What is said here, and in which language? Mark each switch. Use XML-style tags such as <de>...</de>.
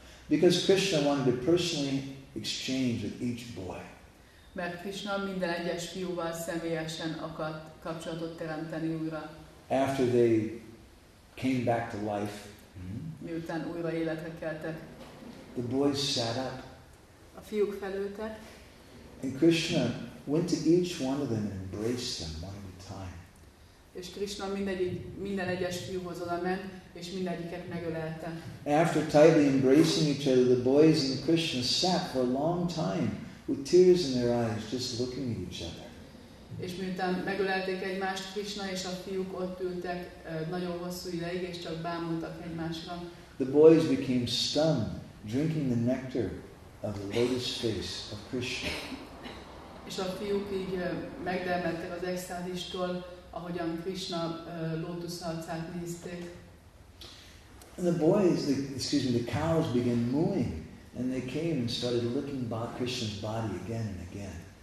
<en>Because Krishna wanted to personally exchange with each boy.</en> <hu>Mert Krishna minden egyes fiúval személyesen akart kapcsolatot teremteni újra.</hu> <en>After they came back to life.</en> <hu>Miután újra életre keltek.</hu> <en>The boys sat up.</en> <hu>A fiúk felültek.</hu> <en>And Krishna went to each one of them and embraced them one at a time.</en> <hu>És Krishna minden egyes fiúhoz oda ment, és mindegyiket megölelte.</hu> <en>After tightly embracing each other, the boys and Krishna sat for a long time with tears in their eyes, just looking at each other.</en> <hu>És miután megölelték egymást, Krishna és a fiúk ott ültek nagyon hosszú ideig, és csak bámultak egymásra.</hu> <en>The boys became stunned, drinking the nectar of the lotus face of Krishna.</en> <hu>És a fiúk így megdermedtek az extázistól, ahogyan Krishna lótusz arcát nézték.</hu> <en>And the boys, the cows began mooing, and they came and started looking by Krishna's body again and again.</en>